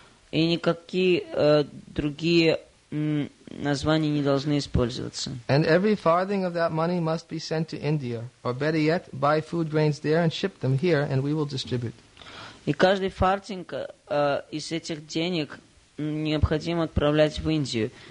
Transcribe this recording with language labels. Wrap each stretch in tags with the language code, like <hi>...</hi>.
<ru>И никакие другие названия не должны использоваться.</ru> <en>And every farthing of that money must be sent to India, or better yet, buy food grains there and ship them here, and we will distribute.</en> <ru>И каждый фартинг из этих денег необходимо отправлять в Индию.</ru>